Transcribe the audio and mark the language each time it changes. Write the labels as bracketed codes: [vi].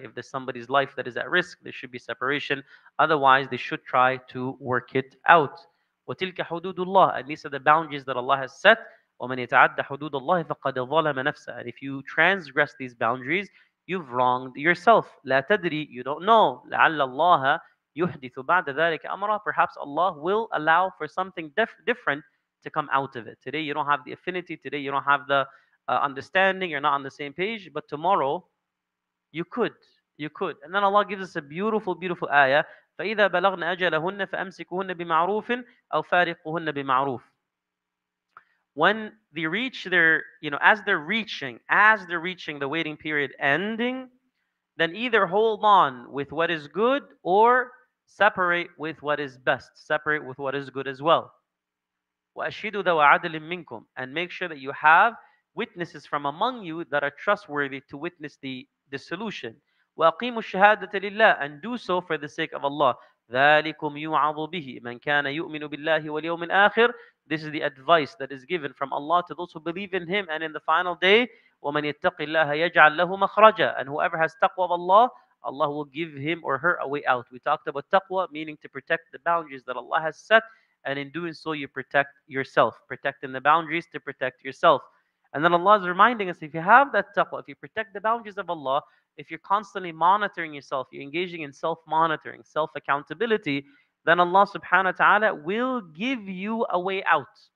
[en] If there's somebody's life that is at risk, there should be separation. Otherwise, they should try to work it out. [ar] وَتِلْكَ حُدُودُ اللَّهِ. [en] And these are the boundaries that Allah has set. [ar] وَمَنْ يَتَعَدَّ حُدُودَ اللَّهِ فَقَدْ ظَلَمَ نَفْسَهُ. [en] And if you transgress these boundaries, you've wronged yourself. [ar] لا تدري, [en] you don't know. [ar] لعل الله يحدث بعد ذلك أمرا. [en] Perhaps Allah will allow for something different to come out of it. Today you don't have the affinity. Today you don't have the understanding. You're not on the same page. But tomorrow, you could. And then Allah gives us a beautiful, beautiful ayah. [ar] فإذا بلغن أجلهن فأمسكهن بمعروف أو فارقهن بمعروف. [en] When they reach their, as they're reaching the waiting period ending, then either hold on with what is good or separate with what is best. Separate with what is good as well. [ar] وَأَشْهِدُوا ذَوَ عَدْلٍ مِّنْكُمْ. [en] And make sure that you have witnesses from among you that are trustworthy to witness the dissolution. [ar] وَأَقِيمُوا الشَّهَادَةَ لِلَّهِ. [en] And do so for the sake of Allah. [ar] ذَلِكُمْ يُعَظُ بِهِ مَنْ كَانَ يُؤْمِنُ بِاللَّهِ وَالْيَوْمِ الْآخِرِ. [en] This is the advice that is given from Allah to those who believe in Him and in the final day. [ar] ومن يتق الله يجعل له مخرجا. [en] And whoever has taqwa of Allah, Allah will give him or her a way out. We talked about taqwa, meaning to protect the boundaries that Allah has set. And in doing so, you protect yourself. Protecting the boundaries to protect yourself. And then Allah is reminding us, if you have that taqwa, if you protect the boundaries of Allah, if you're constantly monitoring yourself, you're engaging in self-monitoring, self-accountability, then Allah subhanahu wa ta'ala will give you a way out.